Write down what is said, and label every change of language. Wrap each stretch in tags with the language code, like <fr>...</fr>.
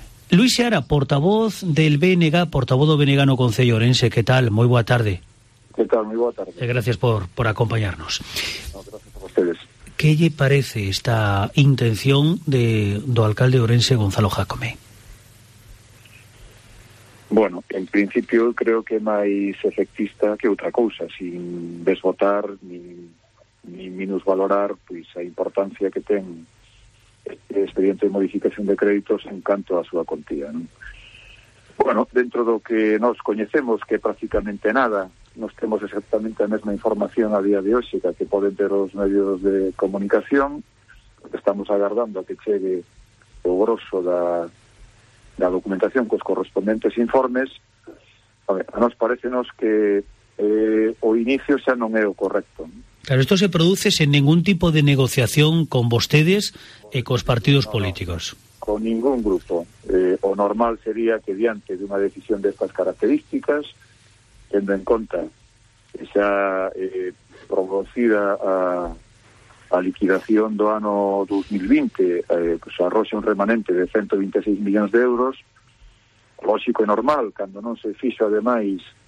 <es>Luis Seara, portavoz del BNG, portavoz venegano Concello Orense, ¿qué tal? Muy buena tarde. ¿Qué tal? Muy buena tarde. Gracias por acompañarnos. No, gracias a ustedes. ¿Qué le parece esta intención de do alcalde Orense, Gonzalo Jácome?</es> <gl>Bueno, en principio creo que máis efectista que outra cousa, sin desbotar ni minusvalorar pues, a importancia que ten este expediente de modificación de créditos en canto a súa contía, ¿no? Bueno, dentro do que nos coñecemos, que prácticamente nada, nos temos exactamente a mesma información a día de hoxe que poden ter os medios de comunicación, porque estamos agardando a que chegue o grosso da documentación cos correspondentes informes. A ver, a nos parecenos que o inicio xa non é o correcto. Claro, esto se produce sen ningún tipo de negociación con vostedes e cos partidos políticos. Con ningún grupo. O normal sería que diante de unha decisión destas características, tendo en conta esa producida a liquidación do ano 2020, pues arroxe un remanente de 126 millóns de euros, lógico e normal, cando non se fixo ademais</gl>